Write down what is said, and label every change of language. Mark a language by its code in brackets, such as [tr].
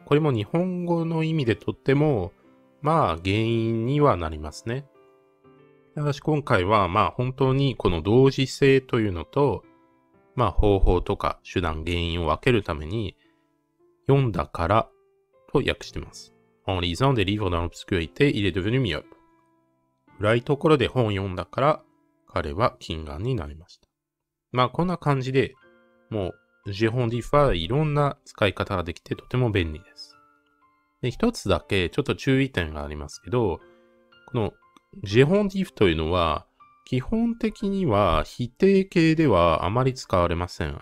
[ja] これも日本語の意味でとっても、まあ原因にはなりますね。ただし今回はまあ本当にこの同時性というのと、まあ方法とか手段原因を分けるために、読んだからと訳しています。 [fr] En lisant des livres dans l'obscurité, il est devenu myope. [ja] 暗いところで本を読んだから彼は近眼になりました。まあこんな感じで、もう、ジェホンディファはいろんな使い方ができてとても便利です。で、一つだけちょっと注意点がありますけど、このジェホンディフというのは、基本的には否定形ではあまり使われません。